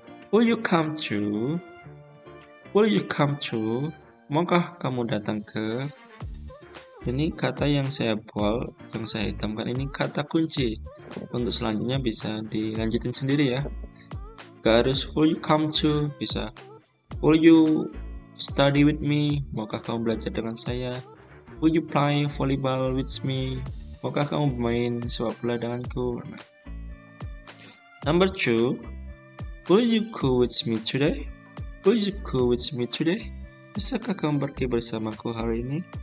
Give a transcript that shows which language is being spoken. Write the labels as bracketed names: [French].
[English] Will you come to? Will you come to? [Indonesian] Maukah kamu datang ke? Ini kata yang saya bold, yang saya hitamkan ini kata kunci. Untuk selanjutnya bisa dilanjutin sendiri ya. Gak harus [English] will you come to, [Indonesian] bisa [English] will you study with me? [Indonesian] Maukah kamu belajar dengan saya? [English] Will you play volleyball with me? [Indonesian] Maukah kamu bermain sepak bola denganku? [English] Number two, will you go with me today? Will you go with me today? [Indonesian] Bisakah kamu pergi bersamaku hari ini?